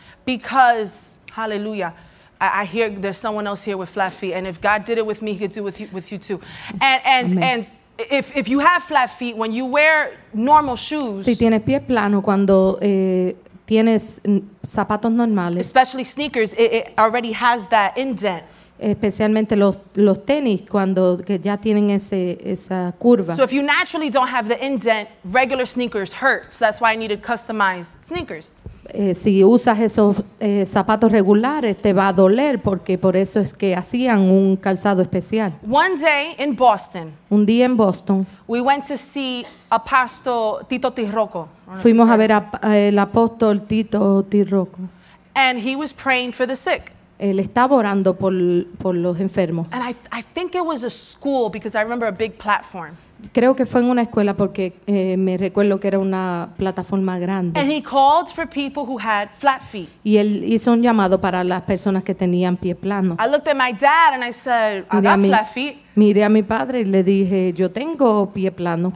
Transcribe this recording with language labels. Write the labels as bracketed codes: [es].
[en] Because, hallelujah, I hear there's someone else here with flat feet. And if God did it with me, he could do it with you too. And if you have flat feet, when you wear normal shoes, [es] si tienes pie plano, cuando tienes zapatos normales, [en] especially sneakers, it already has that indent. [es] Especialmente los tenis, cuando que ya tienen esa curva. [en] So if you naturally don't have the indent, regular sneakers hurt. So that's why I needed customized sneakers. [es] Si usas esos zapatos regulares, te va a doler porque por eso es que hacían un calzado especial. [en] One day in Boston, [es] un día en Boston, [en] we went to see Apostle Tito Tirroco. [es] Fuimos a ver al apóstol Tito Tirroco. [en] And he was praying for the sick. [es] Él estaba orando por los enfermos. [en] And I think it was a school because I remember a big platform. [es] Creo que fue en una escuela porque me recuerdo que era una plataforma grande. [en] And he called for people who had flat feet. [es] Y él hizo un llamado para las personas que tenían pie plano. [en] I looked at my dad and I said, I got flat feet. [es] Miré a mi padre y le dije, yo tengo pie plano.